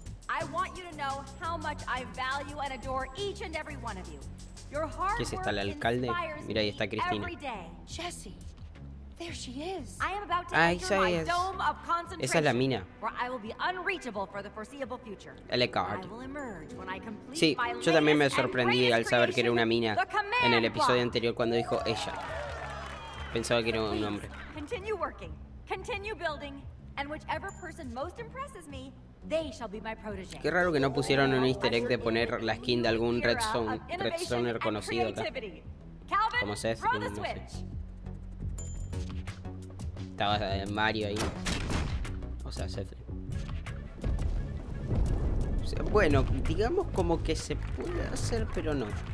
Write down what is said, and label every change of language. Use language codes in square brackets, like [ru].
[en] I want you to know how much I value and adore each and every one of you. Your hard work inspires me every day. [es] Mira, ahí está Cristina. [en] Jesse. There she is. I am about to enter my dome of concentration, where I will be unreachable for the foreseeable future. Elagard. [es] Sí, yo también me sorprendí al saber que era una mina en el episodio anterior cuando dijo ella. Pensaba que era un hombre. [en] Continue working. Continue building. And whichever person most impresses me, they shall be my protege. [es] Qué raro que no pusieron un easter egg de poner la skin de algún redzoner conocido acá. Calvin, como Seth, no sé. Estaba Mario ahí. O sea, Seth. O sea, bueno, digamos como que se puede hacer, pero no.